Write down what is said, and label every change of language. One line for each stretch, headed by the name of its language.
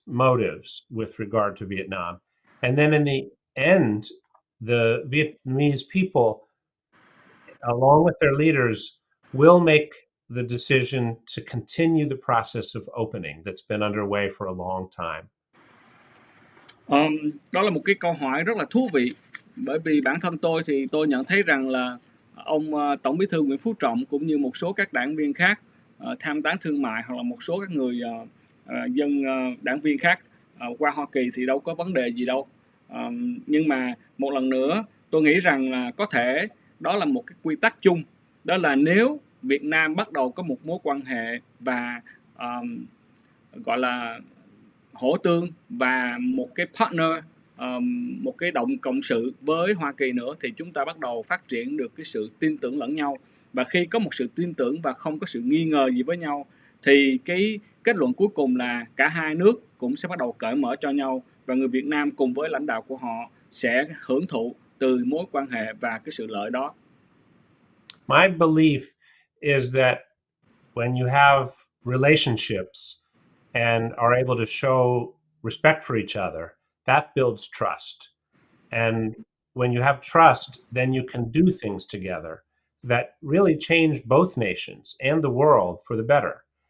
English: motives with regard to Vietnam. And then in the end, the Vietnamese people, along with their leaders, will make the decision to continue the process of opening that's been underway for a long time.
Vietnamese: Đó là một cái câu hỏi rất là thú vị, bởi vì bản thân tôi thì tôi nhận thấy rằng là ông Tổng Bí thư Nguyễn Phú Trọng cũng như một số các đảng viên khác tham tán thương mại hoặc là một số các người dân đảng viên khác qua Hoa Kỳ thì đâu có vấn đề gì đâu. Nhưng mà một lần nữa tôi nghĩ rằng là có thể đó là một cái quy tắc chung, đó là nếu Việt Nam bắt đầu có một mối quan hệ và gọi là hỗ tương và một cái partner một cái động cộng sự với Hoa Kỳ nữa, thì chúng ta bắt đầu phát triển được cái sự tin tưởng lẫn nhau. Và khi có một sự tin tưởng và không có sự nghi ngờ gì với nhau, thì cái kết luận cuối cùng là cả hai nước cũng sẽ bắt đầu cởi mở cho nhau, và người Việt Nam cùng với lãnh đạo của họ sẽ hưởng thụ từ mối quan hệ và cái sự lợi đó.
English: My belief is that when you have relationships and are able to show respect for each other, that builds trust. And when you have trust, then you can do things together that really change both nations and the world for the better.